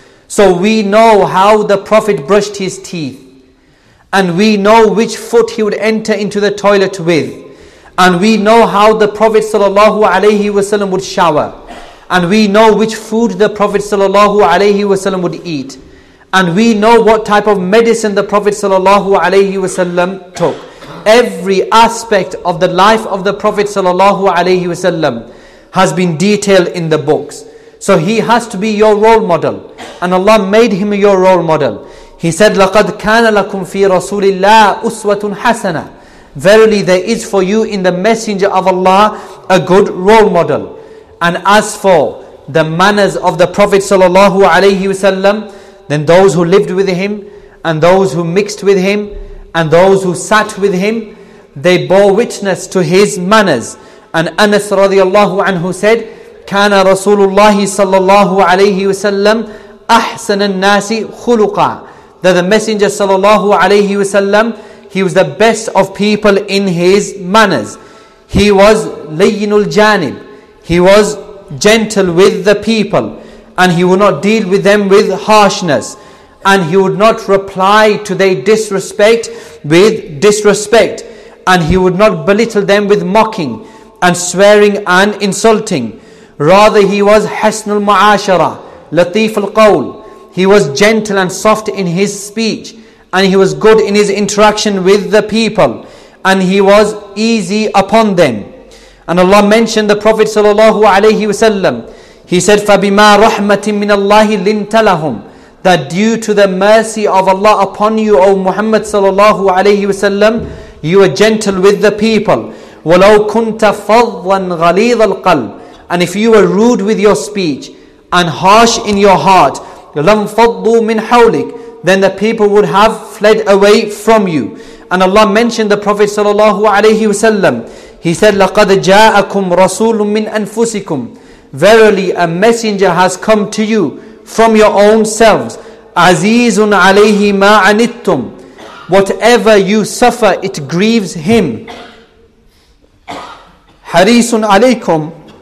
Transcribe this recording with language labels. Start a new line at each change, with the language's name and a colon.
English: So we know how the Prophet brushed his teeth, and we know which foot he would enter into the toilet with, and we know how the Prophet sallallahu alaihi wasallam would shower, and we know which food the Prophet sallallahu alaihi wasallam would eat, and we know what type of medicine the Prophet sallallahu alaihi wasallam took. Every aspect of the life of the Prophet sallallahu alaihi wasallam has been detailed in the books. So he has to be your role model, and Allah made him your role model. He said,
Arabic: لَقَدْ كَانَ لَكُمْ فِي رَسُولِ اللَّهِ أُسْوَةٌ حَسَنَةٌ.
English: Verily there is for you in the Messenger of Allah a good role model. And as for the manners of the Prophet sallallahu alaihi wasallam, then those who lived with him, and those who mixed with him, and those who sat with him, they bore witness to his manners. And Anas radiallahu anhu said,
Arabic: كَانَ رَسُولُ اللَّهِ صَلَّى اللَّهُ عَلَيْهِ وَسَلَّمْ أَحْسَنَ النَّاسِ خُلُقًا.
English: That the Messenger sallallahu alayhi wasallam, he was the best of people in his manners. He was
Arabic: لَيِّنُ الْجَانِبْ.
English: He was gentle with the people, and he would not deal with them with harshness, and he would not reply to their disrespect with disrespect, and he would not belittle them with mocking and swearing and insulting. Rather, he was
Arabic: حسن المعاشرة لطيف القول.
English: He was gentle and soft in his speech, and he was good in his interaction with the people, and he was easy upon them. And Allah mentioned the Prophet sallallahu alaihi wasallam. He said,
Arabic: فَبِمَا رَحْمَةٍ مِّنَ اللَّهِ لِنْتَ لَهُمْ.
English: That due to the mercy of Allah upon you, O Muhammad sallallahu alaihi wasallam, you are gentle with the people.
Arabic: وَلَوْ كُنْتَ فَضًّا غَلِيظَ الْقَلْبِ.
English: And if you were rude with your speech and harsh in your heart,
Arabic: لَمْ فَضُّوا مِنْ حَوْلِكَ,
English: then the people would have fled away from you. And Allah mentioned the Prophet sallallahu alaihi wasallam. He said,
Arabic: لَقَدْ جَاءَكُمْ رَسُولٌ مِّنْ أَنفُسِكُمْ.
English: Verily a messenger has come to you from your own selves.
Arabic: عَزِيزٌ عَلَيْهِ مَا عَنِتُّمْ.
English: Whatever you suffer, it grieves him.
Arabic: حَرِيسٌ عَلَيْكُمْ.